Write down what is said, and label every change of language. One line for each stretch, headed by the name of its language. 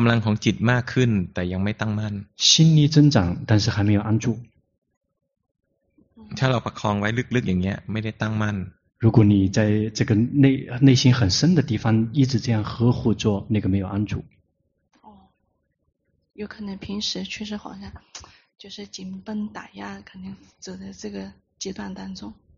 Thai: ำลังของจิตมากขึ้นแต่ยังไม่ตั้งมั่น
Chinese: 心力增长但是还没有安住
Thai: ถ้าเราประคองไว้ลึกๆอย่างเงี้ยไม่ได้ตั้งมั่น
Chinese: 如果你在这个内心很深的地方一直这样呵护着那个没有安住哦有可能平时确实好像就是紧绷打压可能走在这个阶段当中